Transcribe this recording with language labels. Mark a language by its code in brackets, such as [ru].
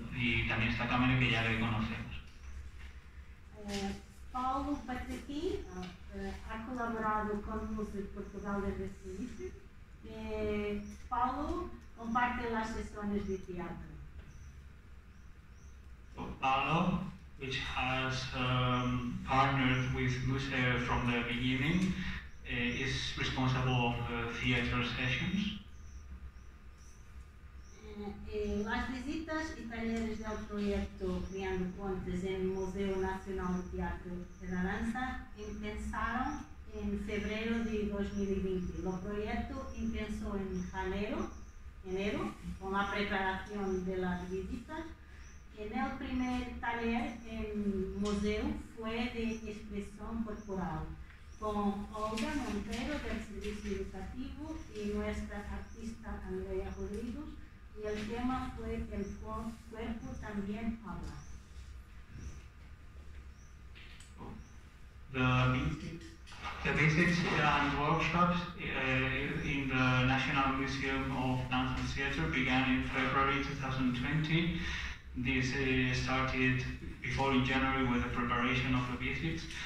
[es] Y también está Kamene, que ya le conocemos. Paulo Patrici ha colaborado conduce Portugal desde su inicio, que Paulo comparte las sesiones de teatro. [en] Paulo, which has partnered with Musa from the beginning, is responsible of theater sessions. [es] Las visitas y talleres del proyecto Creando Pontes en el Museo Nacional de Teatro de la Danza empezaron en febrero de 2020. El proyecto empezó en enero, con la preparación de las visitas. En el primer taller en el museo fue de expresión corporal, con Olga Montero del Servicio Educativo y nuestra artista Andrea Rodríguez. Y el tema fue el cuerpo también habla. [en] The visits and workshops in the National Museum of Dance and Theatre began in February 2020. This started before in January with the preparation of the visits.